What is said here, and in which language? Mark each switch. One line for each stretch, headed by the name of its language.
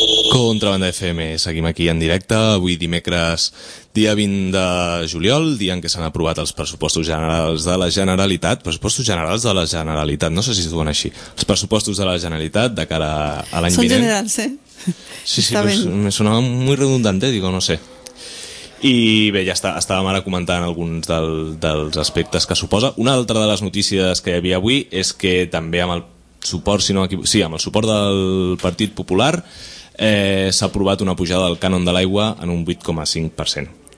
Catalan: Contrabanda FM. Seguim aquí en directe, avui dimecres, dia 20 de juliol, dia en què s'han aprovat els pressupostos generals de la Generalitat. Pressupostos generals de la Generalitat, no sé si es diuen així. Els pressupostos de la Generalitat de cara a l'any vinent. Són generals, eh?
Spanish: Sí, sí, pues, me sonava muy redundante, digo, no sé.
Catalan: I bé, ja estàvem ara comentant alguns dels aspectes que suposa. Una altra de les notícies que hi havia avui és que també amb el suport, si no, sí, amb el suport del Partit Popular s'ha aprovat una pujada del cànon de l'aigua en un 8,5%.